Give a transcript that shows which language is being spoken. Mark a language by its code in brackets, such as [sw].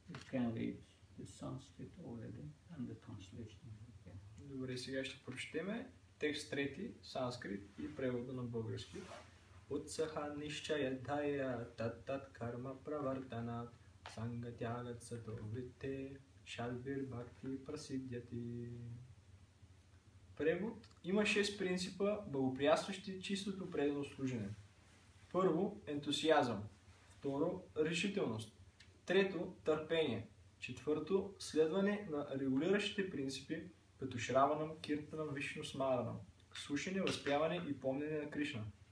[en] Can read the Sanskrit already and the translation. [bg] Добре, сега ще прочетеме текст трети, санскрит и превода на български. [sa] Утсаха нишчая дая таттат карма правартана санга тягат сато вритте шалбир бхакти прасидяти. [bg] Превод има 6 принципа, благоприятстващи чистото предано служене. Първо, ентусиазъм. Второ, решителност. Трето, търпение. Четвърто, следване на регулиращите принципи, като Шраванам, Киртанам, Вишну, Смаранам, слушане, възпяване и помнене на Кришна.